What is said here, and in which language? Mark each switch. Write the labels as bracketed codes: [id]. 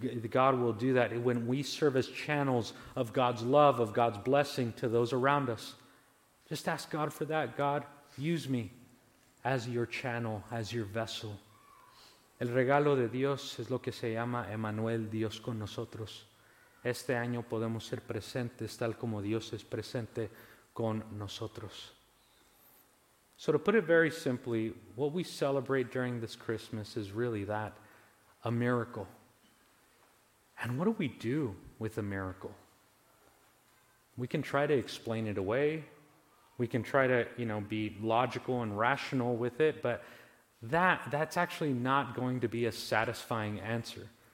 [en] God will do that when we serve as channels of God's love, of God's blessing to those around us. Just ask God for that. God, use me as your channel, as your vessel. [es] El regalo de Dios es lo que se llama Emmanuel, Dios con nosotros. Este año podemos ser presentes tal como Dios es presente con nosotros. [en] So to put it very simply, what we celebrate during this Christmas is really that, a miracle. And what do we do with a miracle? We can try to explain it away. We can try to, you know, be logical and rational with it, but that's actually not going to be a satisfying answer.